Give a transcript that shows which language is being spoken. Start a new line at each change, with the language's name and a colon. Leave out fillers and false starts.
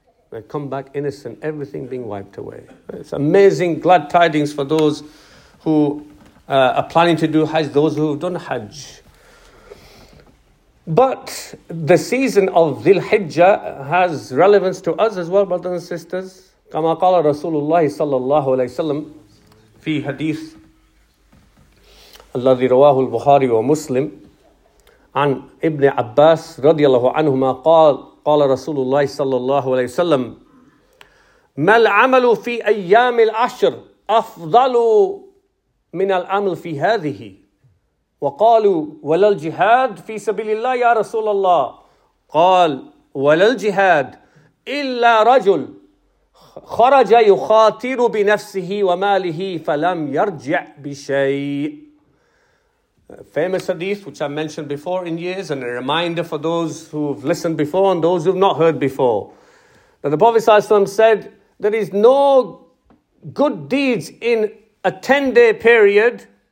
English: They come back innocent, everything being wiped away. It's amazing, glad tidings for those who are planning to do Hajj, those who have done Hajj. But the season of Dhul Hijjah has relevance to us as well, brothers and sisters.
Arabic: كما قال رسول الله صلى الله عليه وسلم في حديث الذي رواه البخاري ومسلم عن ابن عباس رضي الله عنهما قال قال رسول الله صلى الله عليه وسلم ما العمل في أيام العشر أفضل من العمل في هذه. وقالوا ولا الجهاد في سبيل الله يا رسول الله. قال ولا الجهاد إلا رجل خرج يخاطر بنفسه وماله فلم يرجع بشيء.
English: Famous hadith which I mentioned before in years, and a reminder for those who've listened before and those who've not heard before, that the Prophet ﷺ said there is no good deeds in a 10-day period.